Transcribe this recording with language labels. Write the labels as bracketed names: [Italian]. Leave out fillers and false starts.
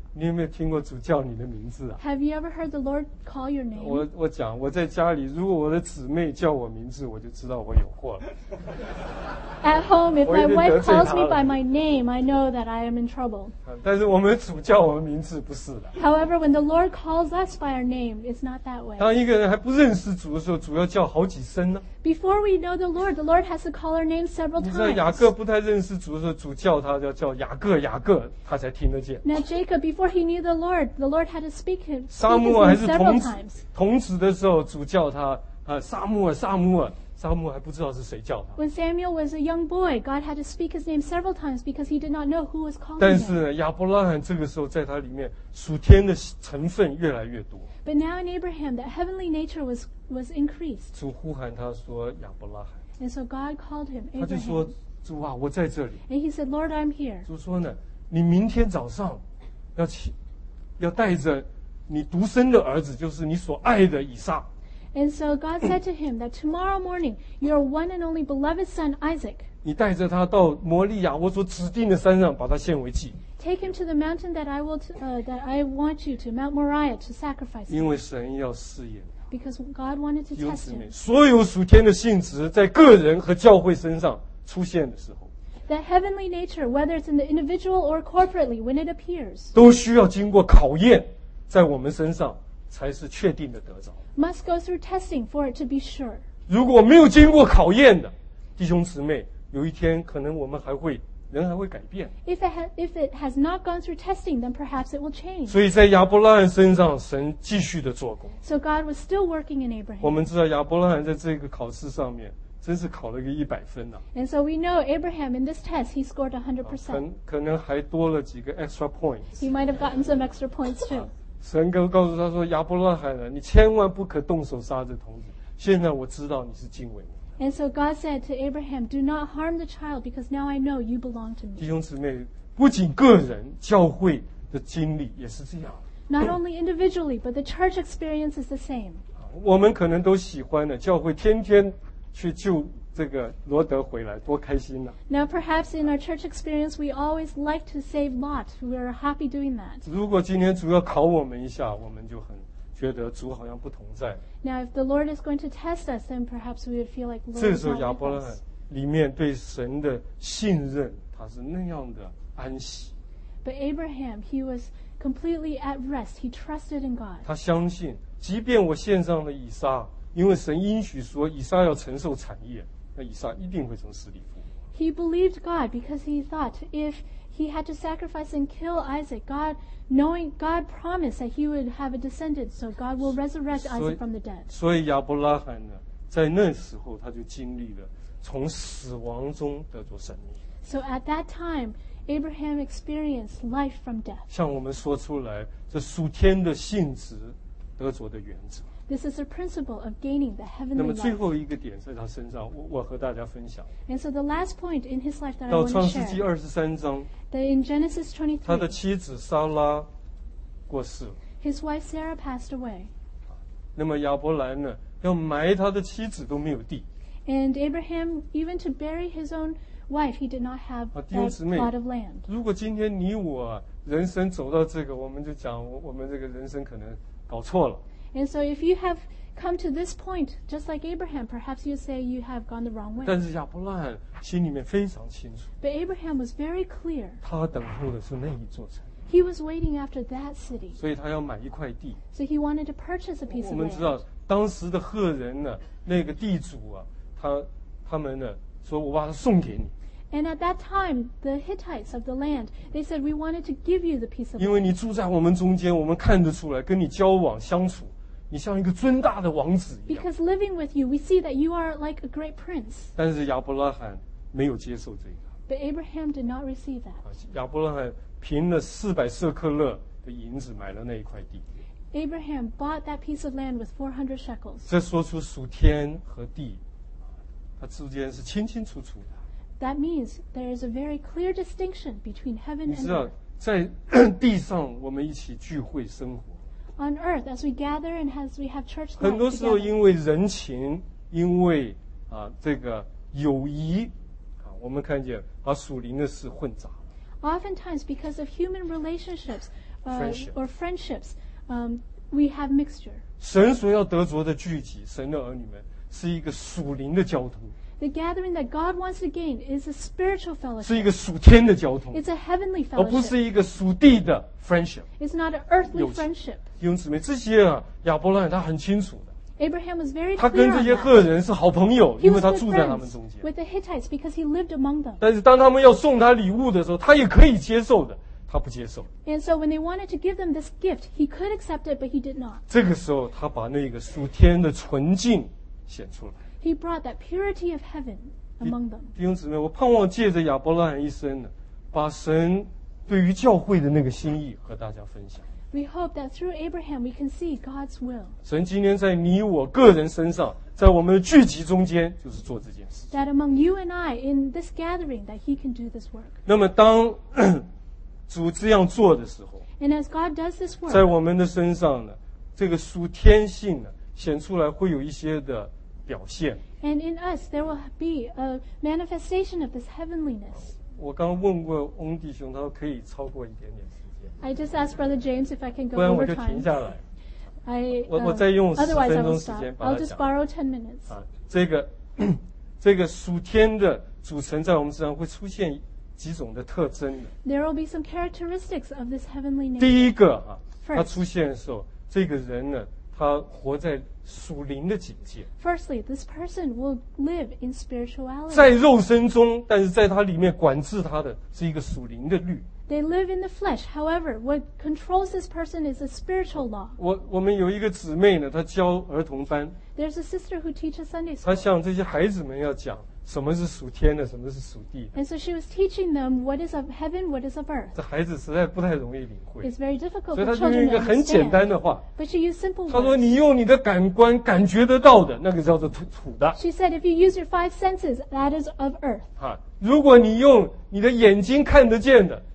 [Chinese] 你有没有听过主叫你的名字啊？ [English] Have you ever heard the Lord call your name? [Chinese] 我讲，我在家里，如果我的姊妹叫我名字，我就知道我有祸了。 [English] At home, if my wife calls me by my name, I know that I am in trouble. [Chinese] 但是我们主叫我们名字不是的。 [English] However, when the Lord calls us by our name, it's not that way. [Chinese] 当一个人还不认识主的时候，主要叫好几声呢。 [English] Before we know the Lord has to call our name several times. [Chinese] 你知道雅各不太认识主的时候，主叫他要叫雅各，雅各，他才听得见。 [English] Now Jacob, before he knew the Lord had to speak him. [Chinese] 撒母耳还是童子的时候，主叫他，撒母耳，撒母耳，撒母还不知道是谁叫他。 [English] When Samuel was a young boy, God had to speak his name several times because he did not know who was calling him. [Chinese] 但是呢，亚伯拉罕这个时候在他里面属天的成分越来越多。 [English] But now in Abraham, that heavenly nature was increased. [Chinese] 主呼喊他说亚伯拉罕。 [English] And so God called him Abraham. [Chinese] 他就说主啊，我在这里。 [English] And he said, Lord, I'm here. [Chinese] 主说呢，你明天早上要带着你独生的儿子，就是你所爱的以撒。 [English] And so God said to him that tomorrow morning, your one and only beloved son, Isaac, [Chinese] 你带着他到摩利亚我所指定的山上把他献为祭。 [English] Take him to the mountain that I will, that I want you to, Mount Moriah, to sacrifice him. [Chinese] 因为神要试验。 [English] Because God wanted to test him. [Chinese] 所有属天的性质在个人和教会身上出现的时候。 [English] That heavenly nature, whether it's in the individual or corporately, when it appears, [Chinese] 都需要经过考验在我们身上。才是确定的得着。 [English] Must go through testing for it to be sure. [Chinese] 如果没有经过考验的弟兄姊妹，有一天可能我们还会人还会改变。 [English] If it has not gone through testing, then perhaps it will change. [Chinese] 所以在亚伯拉罕身上，神继续的做工。 [English] So God was still working in Abraham. [Chinese] 我们知道亚伯拉罕在这个考试上面真是考了个100分呐、啊。 And so we know Abraham in this test he scored 100%. 可能还多了几个 [English] extra points. He might have gotten some extra points too. [Chinese] 神告诉他说亚伯拉罕你千万不可动手杀这童子现在我知道你是敬畏我 [English] And so God said to Abraham Do not harm the child because now I know you belong to me [Chinese] 弟兄姊妹不仅个人教会的经历也是这样 [English] Not only individually but the church experience is the same [Chinese] 我们可能都喜欢的教会天天去救这个罗德回来多开心啊 [English] Now perhaps in our church experience we always like to save Lot we are happy doing that [Chinese] 如果今天主要考我们一下我们就很觉得主好像不同在 [English] Now if the Lord is going to test us then perhaps we would feel like Lord [Chinese] 这时候亚伯拉罕里面对神的信任他是那样的安息 [English] But Abraham he was completely at rest he trusted in God [Chinese] 他相信即便我献上了以撒因为神应许说以撒要承受产业那以撒一定会从死里复活 [English] He believed God because he thought if he had to sacrifice and kill Isaac God knowing God promised that he would have a descendant so God will resurrect Isaac from the dead [Chinese] 所以亚伯拉罕呢在那时候他就经历了从死亡中得着生命 [English] So at that time Abraham experienced life from death [Chinese] 像我们说出来这属天的性质得着的原则 [English] This is the principle of gaining the heavenly life. [Chinese] 那么最后一个点在他身上，我和大家分享。 [English] And so the last point in his life that I want to share. [Chinese] 到创世纪二十三章。 [English] That in Genesis 23. [Chinese] 他的妻子撒拉过世。 [English] His wife Sarah passed away. [Chinese] 那么亚伯兰呢，要埋他的妻子都没有地。 [English] And Abraham, even to bury his own wife, he did not have a plot of land. [Chinese] 如果今天你我人生走到这个，我们就讲我们这个人生可能搞错了。 [English] And so if you have come to this point, just like Abraham, perhaps you say you have gone the wrong way. [Chinese] 但是亚伯拉罕心里面非常清楚。 [English] But Abraham was very clear. [Chinese] 他等候的是那一座城。 [English] He was waiting after that city. [Chinese] 所以他要买一块地。 [English] So he wanted to purchase a piece of land. [Chinese] 我们知道当时的赫人呢，那个地主啊，他们呢，说我把它送给你。 [English] And at that time, the Hittites of the land, they said we wanted to give you the piece of land. [Chinese] 因为你住在我们中间，我们看得出来，跟你交往相处。你像一个尊大的王子一样。 [English] Because living with you, we see that you are like a great prince. [Chinese] 但是亚伯拉罕没有接受这个。 [English] But Abraham did not receive that. [Chinese] 亚伯拉罕凭了400 shekels的银子买了那一块地。 [English] Abraham bought that piece of land with 400 shekels. [Chinese] 这说出属天和地，它之间是清清楚楚的。 [English] That means there is a very clear distinction between heaven and earth. [Chinese] 你知道，在地上我们一起聚会生活。 [English] On earth, as we gather and as we have church together, [Chinese] 很多时候因为人情，因为啊这个友谊，啊我们看见把属灵的事混杂。 [English] Oftentimes, because of human relationships, friendship. or friendships, we have mixture. [Chinese] 神所要得着的聚集，神的儿女们是一个属灵的交通。 [English] The gathering that God wants to gain is a spiritual fellowship. [Chinese] 是一个属天的交通。 [English] It's a heavenly fellowship. [Chinese] 而不是一个属地的 friendship. [English] It's not an earthly friendship. [Chinese] 弟兄姊妹，这些啊，亚伯拉罕他很清楚的。 [English] Abraham was very clear. [Chinese] 他跟这些赫人是好朋友，因为他住在他们中间。 [English] With the Hittites because he lived among them. [Chinese] 但是当他们要送他礼物的时候，他也可以接受的，他不接受。 [English] And so when they wanted to give them this gift, he could accept it, but he did not. [Chinese] 这个时候，他把那个属天的纯净显出来。 [English] He brought that purity of heaven among them. [Chinese] 弟兄姊妹，我盼望借着亚伯拉罕一生呢，把神对于教会的那个心意和大家分享。 [English] We hope that through Abraham we can see God's will. [Chinese] 神今天在你我个人身上，在我们的聚集中间，就是做这件事。 [English] That among you and I in this gathering that He can do this work. [Chinese] 那么当主这样做的时候 [English] ，And as God does this work， [Chinese] 在我们的身上呢，这个属天性呢，显出来会有一些的表现。 [English] And in us there will be a manifestation of this heavenliness. [Chinese] 我刚问过翁弟兄，他说可以超过一点点时间。 [English] I just asked Brother James if I can go over time. [Chinese] 不然我就停下来。我再用十分钟时间把它讲。 [English] I'll just borrow 10 minutes. [Chinese] 这个属天的组成在我们身上会出现几种的特征的。 [English] There will be some characteristics of this heavenly nature. [Chinese] 第一个啊， [English] First, [Chinese] 他出现的时候，这个人呢，他活在属灵的境界。 [English] Firstly, this person will live in spirituality. [Chinese] 在肉身中，但是在他里面管制他的是一个属灵的律。 [English] They live in the flesh. However, what controls this person is a spiritual law. [Chinese] 我们有一个姊妹呢，她教儿童班。 [English] There's a sister who teaches Sunday school. [Chinese] 她向这些孩子们要讲什么是属天的，什么是属地的。 [English] And so she was teaching them what is of heaven, what is of earth. [Chinese] 这孩子实在不太容易领会。 [English] It's very difficult. [Chinese] 所以她就用一个很简单的话。 [English] But she used simple words. [Chinese] 她说：“你用你的感官感觉得到的，那个叫做土的。” [English] She said, "If you use your 5 senses, that is of earth." [Chinese] 哈，如果你用你的眼睛看得见的。